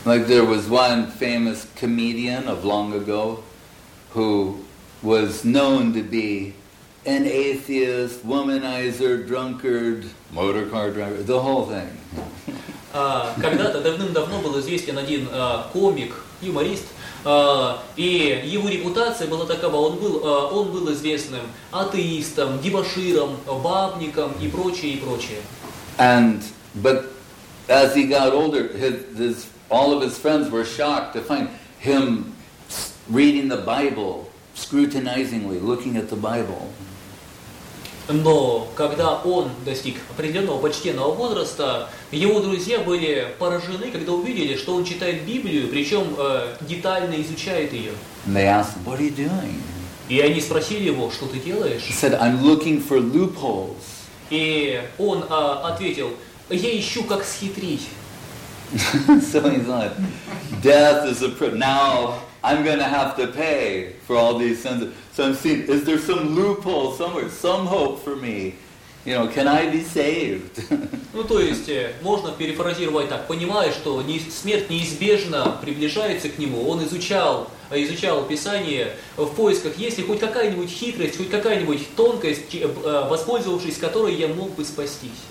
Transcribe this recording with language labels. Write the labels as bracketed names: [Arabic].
[English] Like there was one famous comedian of long ago who was known to be an atheist, womanizer, drunkard, motor car driver, the whole thing. [Russian] Когда-то давным-давно был известен один комик, юморист, и его репутация была такова: он был известным атеистом, дебоширом, бабником и прочее, и прочее. [English] And but as he got older, his all of his friends were shocked to find him reading the Bible, scrutinizingly looking at the Bible. [Russian] Но когда он достиг определенного почтенного возраста, его друзья были поражены, когда увидели, что он читает Библию, причем детально изучает ее. [English] And they asked, "What are you doing?" [Russian] И они спросили его: "Что ты делаешь?" [English] He said, "I'm looking for loopholes." [Russian] И он ответил: "Я ищу, как схитрить." [English] So he's like, death is a privilege. Now I'm going to have to pay for all these sins. So I'm seeing, is there some loophole somewhere, some hope for me? You know, can I be saved? [Russian] Ну, то есть, можно перефразировать так, понимая, что смерть неизбежно приближается к нему, он изучал Писание в поисках, есть ли хоть какая-нибудь хитрость, хоть какая-нибудь тонкость, воспользовавшись которой я мог бы спастись.